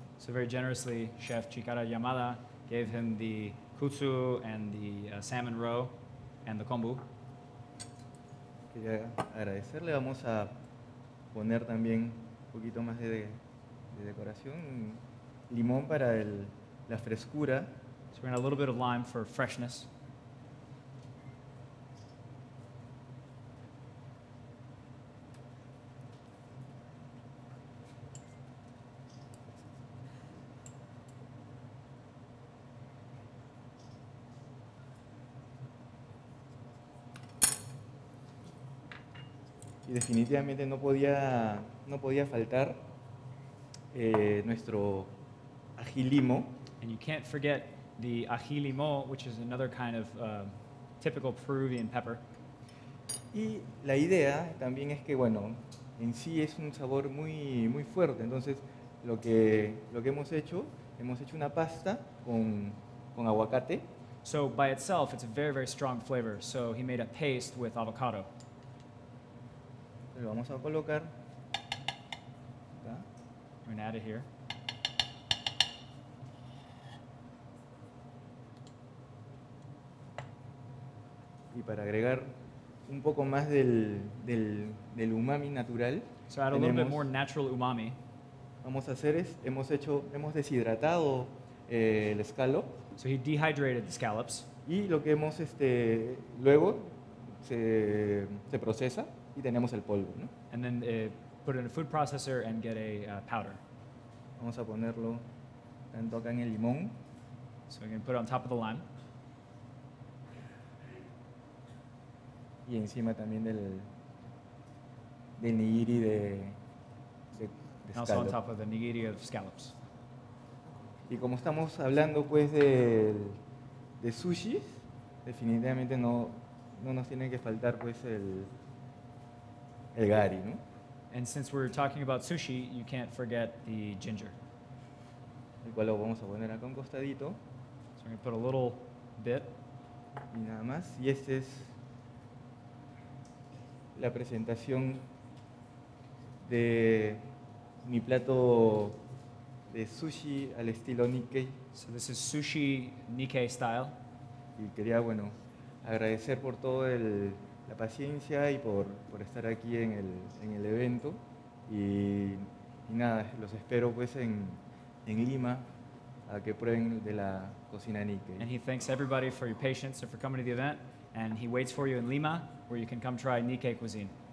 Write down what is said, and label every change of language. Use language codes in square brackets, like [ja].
[en] So very generously, Chef Chikara Yamada gave him the kutsu and the salmon roe and the kombu. [es] Quería agradecerle. Vamos a poner también un poquito más de decoración. Limón para la frescura. [en] So we're going to a little bit of lime for freshness. [es] Definitivamente no podía faltar nuestro ají limo. [en] And you can't forget the ají limo, which is another kind of typical Peruvian pepper. [es] Y la idea también es que, bueno, en sí es un sabor muy, muy fuerte. Entonces, lo que hemos hecho una pasta con aguacate. [en] So, by itself, it's a very, very strong flavor. So, he made a paste with avocado. [es] Lo vamos a colocar acá. [en] coming out of here. [es] Y para agregar un poco más del umami natural. [en] So add a little bit more natural umami. [es] Vamos a hacer es hemos deshidratado el scallop. [en] So he dehydrated the scallops. [es] Y lo que hemos luego se procesa y tenemos el polvo, ¿no? [en] And then put it in a food processor and get a powder. [es] Vamos a ponerlo tanto acá en el limón. [en] So we're going to put it on top of the lime. [es] Y encima también del nigiri de [en] scallops. Also on top of the nigiri of scallops. [es] Y como estamos hablando pues de sushi, definitivamente no nos tiene que faltar pues el gari, ¿no? [en] And since we're talking about sushi, you can't forget the ginger. [es] El cual lo vamos a poner acá un costadito. [en] So we're going to put a little bit. [es] Y nada más. Y este es la presentación de mi plato de sushi al estilo Nikkei. [en] So this is sushi Nikkei style. [es] Y quería, bueno, agradecer por todo la paciencia y por estar aquí en el evento. Y nada, los espero pues en Lima a que prueben de la cocina Nikkei. [en] And he thanks everybody for your patience and for coming to the event. And he waits for you in Lima, where you can come try Nikkei cuisine.